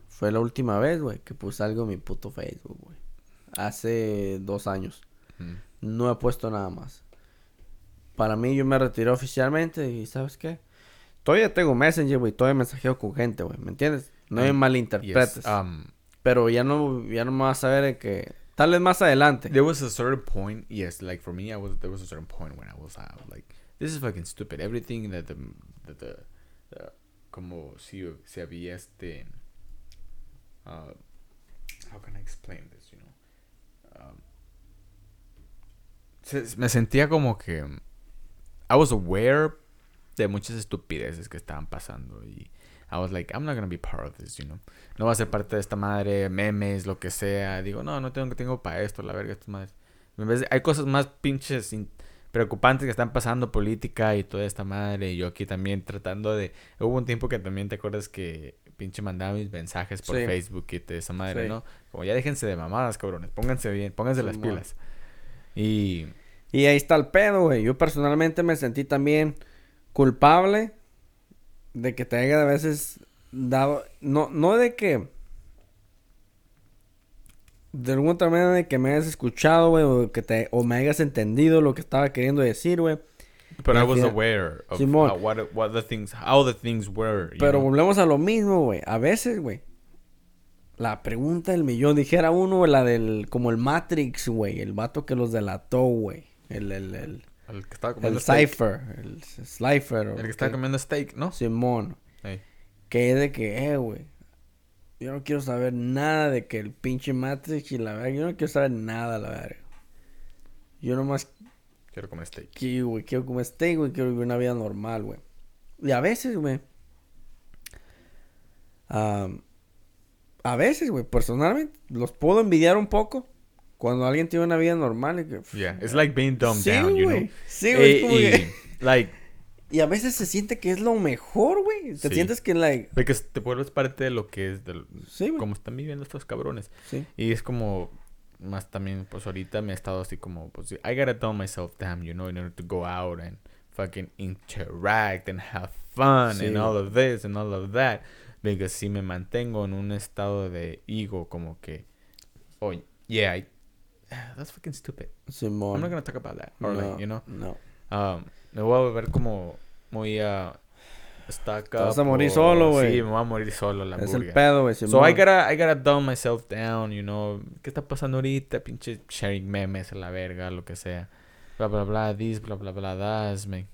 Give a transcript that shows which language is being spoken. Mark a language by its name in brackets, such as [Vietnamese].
[Spanish] Fue la última vez, güey, que puse algo en mi puto Facebook, güey. Hace 2 años. No he puesto nada más. Para mí, yo me retiré oficialmente y ¿sabes qué? Todavía tengo Messenger, güey. Todavía mensajeo con gente, güey. ¿Me entiendes? No me malinterpretes. Yes, pero ya no me vas a ver en que... Tal vez más adelante. [English] There was a certain point, yes. Like, for me, there was a certain point when I was like, this is fucking stupid. Everything that the [Spanish] como si había este... [English] how can I explain this, you know? [Spanish] Me sentía como que... [English] I was aware [Spanish] de muchas estupideces que estaban pasando y... [English] I was like, I'm not gonna be part of this, you know. [Spanish] No va a ser parte de esta madre, memes, lo que sea. Digo, no tengo para esto, la verga, estas madres. En vez de, hay cosas más pinches preocupantes que están pasando, política y toda esta madre. Y yo aquí también tratando de... Hubo un tiempo que también te acuerdas que pinche mandaba mis mensajes por sí. Facebook y de esa madre, sí. ¿No? Como ya déjense de mamadas, cabrones. Pónganse bien, pónganse las pilas. Y ahí está el pedo, güey. Yo personalmente me sentí también culpable... De que te haya a veces dado... No de que... De alguna otra manera de que me hayas escuchado, güey. O me hayas entendido lo que estaba queriendo decir, güey. [English] Pero I was aware of Simón, what the things... How the things were. [Spanish] Pero know? Volvemos a lo mismo, güey. A veces, güey. La pregunta del millón. Dijera uno, güey, la del... Como el Matrix, güey. El vato que los delató, güey. El que estaba comiendo el steak. Cypher, el Slifer. El que estaba comiendo steak, ¿no? Simón. Hey. Que es de que, güey. Yo no quiero saber nada de que el pinche Matrix y la verdad. Yo no quiero saber nada, la verdad. Yo nomás... Quiero comer steak. Quiero comer steak, güey. Quiero vivir una vida normal, güey. Y a veces, güey. A veces, güey. Personalmente, los puedo envidiar un poco. Cuando alguien tiene una vida normal... [English] Yeah, it's like being dumbed down, [Spanish] wey. [English] You know? [Spanish] Sí, güey, como que... [English] Like... [Spanish] Y a veces se siente que es lo mejor, güey. Te sí. sientes que, like... Porque te vuelves parte de lo que es... De... Sí, güey. Como están viviendo estos cabrones. Sí. Y es como... Más también, pues, ahorita me he estado así como... [English] Pues, I gotta dumb myself down, you know? In order to go out and fucking interact and have fun sí. and all of this and all of that. [Spanish] Porque si me mantengo en un estado de ego como que... [English] Oye, oh, yeah, I... That's fucking stupid. [Spanish] Simón. [English] I'm not gonna talk about that. Or no, like, you know? [Spanish] No. Me voy a volver como muy stuck up. Vas a morir solo, güey. Sí, me voy a morir solo, la burga. Es el pedo, güey. [English] So I gotta dumb myself down, you know. [Spanish] ¿Qué está pasando ahorita? Pinche [English] sharing memes [Spanish] a la verga, lo que sea. Bla, bla, bla, this, bla, bla, bla, that's me.